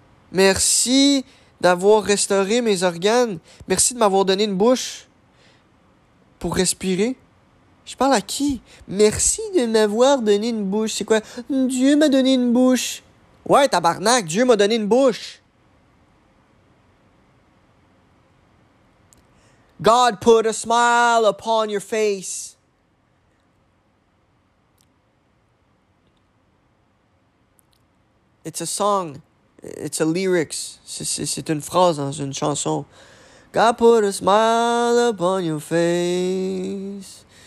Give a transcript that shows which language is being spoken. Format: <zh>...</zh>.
<fr>Merci d'avoir restauré mes organes. Merci de m'avoir donné une bouche pour respirer. Je parle à qui? Merci de m'avoir donné une bouche. C'est quoi? Dieu m'a donné une bouche. Ouais, tabarnak, Dieu m'a donné une bouche.</fr> <en>God put a smile upon your face. It's a song. It's a lyrics.</en> <fr>C'est une phrase dans une chanson.</fr> <en>God put a smile upon your face.</en>